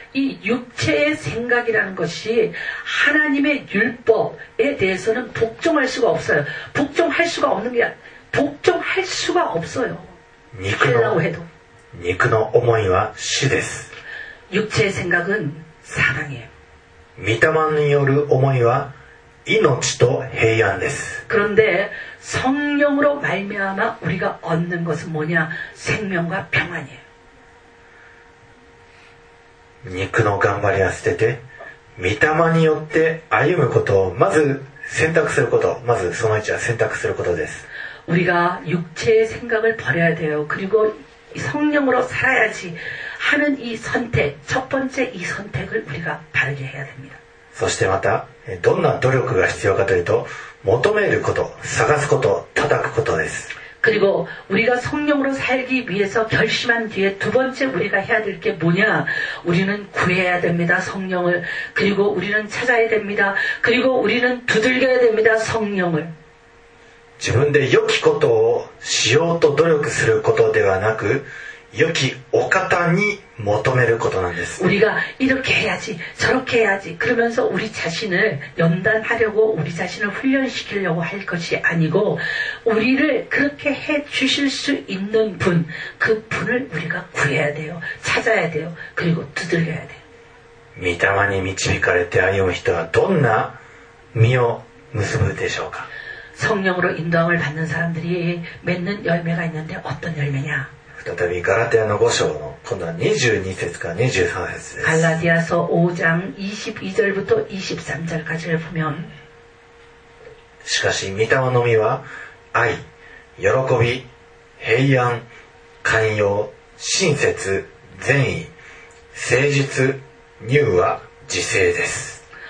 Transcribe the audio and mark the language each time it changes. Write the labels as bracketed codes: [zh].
[ko] 그리고이육체의생각이라는것이하나님의율법에대해서는복종할수가없어요。 복종할수가없는게복종할수가없어요。 [ja] 肉の。 [ko] 하려고해도。 [ja] 肉の思いは死です。 [ko] 육체의생각은사망이에요。 [ja] 御霊による思いは命と平安です。 [ko] 그런데성령으로말미암아우리가얻는것은뭐냐생명과평안이에요 [ja] 肉の頑張りは捨てて御霊によって歩むことをまず選択することまずその一は選択することです [ko] 우리가육체의생각을버려야돼요그리고성령으로살아야지하는이선택첫번째이선택을우리가바르게해야됩니다 [ja] そしてまたどんな努力が必要かというと求めること探すこと叩くことです [ko] 그리고우리가성령으로살기위해서결심한뒤에두번째우리가해야될게뭐냐우리는구해야됩니다성령을그리고우리는찾아야됩니다그리고우리는두들겨야됩니다성령을 [ja] 自分で良きことをしようと努力することではなく良きお方に求めることなんです。 [ko] 우리가이렇게해야지저렇게해야지그러면서우리자신을연단하려고우리자신을훈련시키려고할것이아니고우리를그렇게해주실수있는분그분을우리가구해야돼요찾아야돼요그리고두들겨야돼요 [ja] 미타마니미치비카레테아이오히토와돈나미오무스부데쇼카 [ko] 성령으로인도함을받는사람들이맺는열매가있는데어떤열매냐 [ja] 再びガラテヤの5章の今度は22節から23節です。 [ko] ガラディア書5章22절부터23절까지를보면 [ja] しかし御霊の実は愛、喜び、平安、寛容、親切、善意、誠実、柔和、自制です。